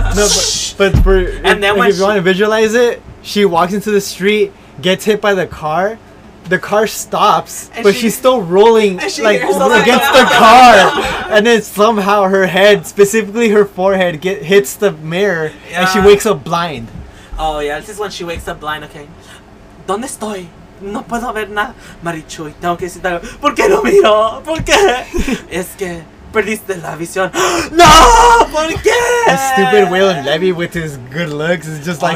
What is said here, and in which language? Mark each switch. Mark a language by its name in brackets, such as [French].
[English] No, but for, and then if you want to visualize it, she walks into the street, gets hit by the car. The car stops, and but she's still rolling like against the car, and then somehow her head, specifically her forehead, hits the mirror, and she wakes up blind. Oh yeah, this is when she wakes up blind. [Spanish] Okay, ¿dónde estoy? No puedo ver nada, Marichuy. Tengo que sentar. ¿Por qué no miro? ¿Por qué? Es que perdiste la visión. No, ¿por qué? [English] A stupid Willem Levy with his good looks is just like,